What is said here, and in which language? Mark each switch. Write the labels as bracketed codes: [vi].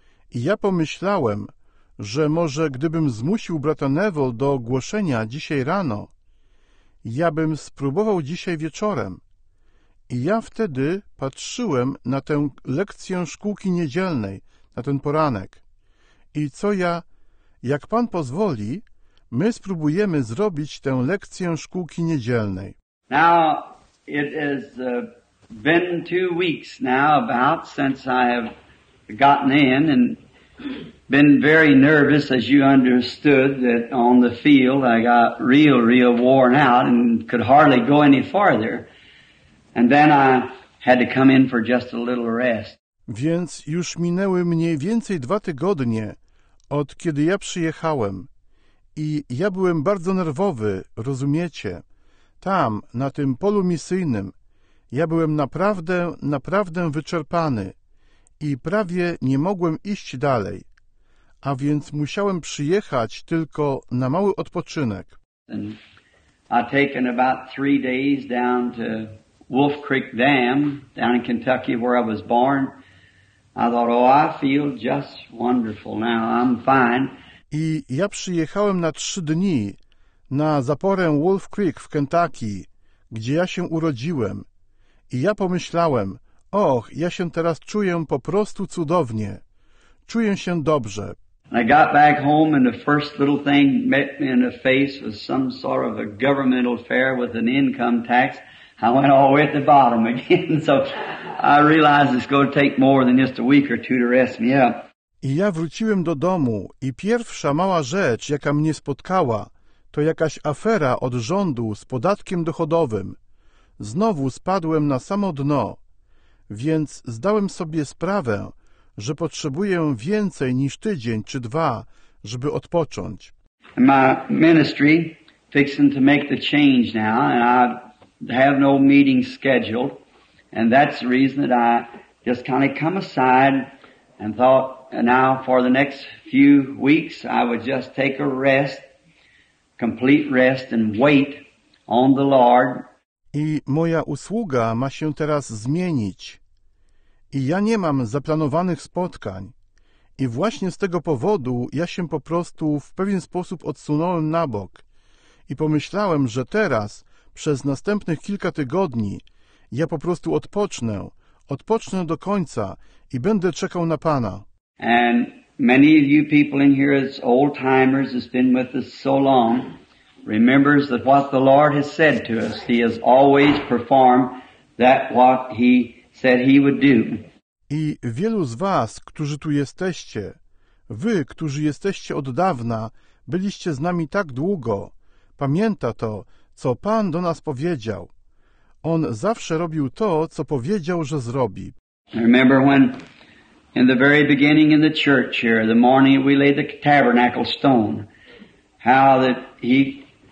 [pl] I ja pomyślałem, że może gdybym zmusił brata Neville do głoszenia dzisiaj rano, ja bym spróbował dzisiaj wieczorem. I ja wtedy patrzyłem na tę lekcję szkółki niedzielnej, na ten poranek. I co ja, jak pan pozwoli, my spróbujemy zrobić tę lekcję szkółki niedzielnej. [en] Now it is been 2 weeks now about since I have gotten in and been very nervous, as you understood, that on the field I got real, real worn out and could hardly go any farther. And then I had to come in for just a little rest. [pl] Więc już minęły mniej więcej 2 tygodnie, od kiedy ja przyjechałem. I ja byłem bardzo nerwowy, rozumiecie? Tam, na tym polu misyjnym, ja byłem naprawdę, naprawdę wyczerpany i prawie nie mogłem iść dalej, a więc musiałem przyjechać tylko na mały odpoczynek. [en] I've taken about 3 days down to Wolf Creek Dam, down in Kentucky, where I was born. I thought, oh, I feel just wonderful now, I'm fine. [pl] I ja przyjechałem na 3 dni na zaporę Wolf Creek w Kentucky, gdzie ja się urodziłem. I ja pomyślałem, och, ja się teraz czuję po prostu cudownie. Czuję się dobrze. [en] I got back home and the first little thing met me in the face was some sort of a government affair with an income tax. I went all the way at the bottom again. So I realized it's going to take more than just a week or two to rest me up. [pl] I ja wróciłem do domu i pierwsza mała rzecz, jaka mnie spotkała, to jakaś afera od rządu z podatkiem dochodowym. Znowu spadłem na samo dno, więc zdałem sobie sprawę, że potrzebuję więcej niż tydzień czy dwa, żeby odpocząć. [en] My ministry fixing to make the change now, and I have no meeting scheduled, and that's the reason that I just kind of come aside and thought now for the next few weeks I would just take a rest, complete rest, and wait on the Lord. [pl] I moja usługa ma się teraz zmienić. I ja nie mam zaplanowanych spotkań. I właśnie z tego powodu ja się po prostu w pewien sposób odsunąłem na bok. I pomyślałem, że teraz, przez następnych kilka tygodni, ja po prostu odpocznę. Odpocznę do końca i będę czekał na Pana. [en] And many of you people in here as old timers has been with us so long. Remembers that what the Lord has said to us, He has always performed that what He said He would do. [pl] I wielu z was, którzy tu jesteście, wy, którzy jesteście od dawna, byliście z nami tak długo, pamięta to, co Pan do nas powiedział. On zawsze robił to, co powiedział, że zrobi. [en] Remember when in the very beginning in the church here, the morning we laid the tabernacle stone, how that He